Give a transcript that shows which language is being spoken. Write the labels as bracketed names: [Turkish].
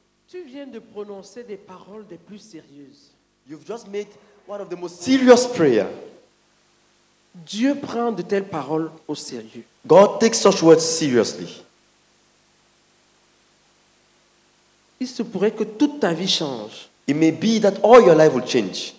[French] Tu viens de prononcer des paroles des plus sérieuses. [English] You've just made one of the most serious prayer. [French] Dieu prend de telles paroles au sérieux. [English] God takes such words seriously. [French] Il se pourrait que toute ta vie change. [English] It may be that all your life will change.